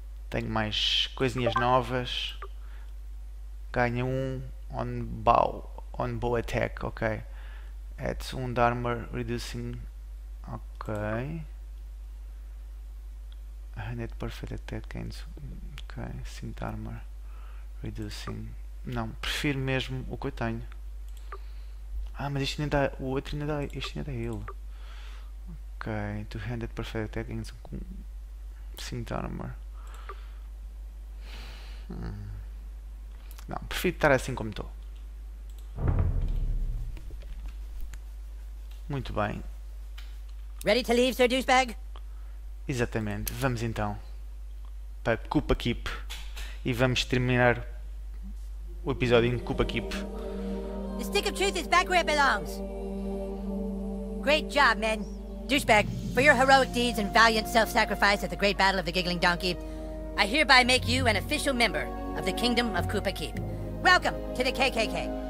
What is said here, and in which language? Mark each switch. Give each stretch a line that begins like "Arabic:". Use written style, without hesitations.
Portuguese: Tenho mais coisinhas novas. Ganho um
English: on bow. on bow attack, ok. Adds wound armor reducing. Ok. Net perfect attack gains. Ok. Sint armor reducing.
Portuguese: Não, prefiro mesmo o que eu tenho. Ah, mas isto ainda dá. O outro ainda dá. Isto ainda dá ele. Ok.
English: Two-handed perfect attack gains
Portuguese: com
English: Sint armor.
Portuguese: Não, prefiro estar assim como estou. Muito bem.
English: Ready to leave, Sir Douchebag?
Portuguese: Exatamente. Vamos então para Koopa Keep. E vamos terminar o episódio em Koopa Keep.
English: The stick of truth is back where it belongs. Great job, men. Douchebag, for your heroic deeds and valiant self-sacrifice at the great battle of the Giggling Donkey, I hereby make you an official member of the Kingdom of Koopa Keep. Welcome to the KKK.